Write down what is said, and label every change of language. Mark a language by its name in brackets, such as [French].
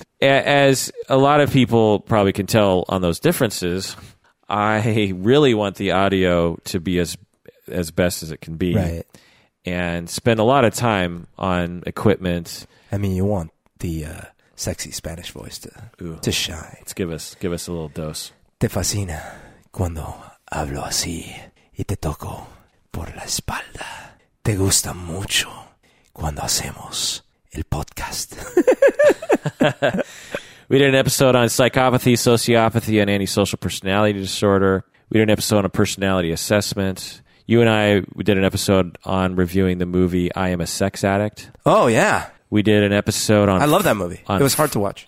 [English] As a lot of people probably can tell on those differences, I really want the audio to be as best as it can be. Right. And spend a lot of time on equipment. I mean, you want the sexy Spanish voice to shine. Let's give us a little dose. [Spanish] Te fascina cuando hablo así y te toco por la espalda. Te gusta mucho cuando hacemos el podcast. [English] We did an episode on psychopathy, sociopathy, and antisocial personality disorder. We did an episode on a personality assessment. You and I, we did an episode on reviewing the movie I Am a Sex Addict. Oh, yeah. We did an episode on... I love that movie. It was hard to watch.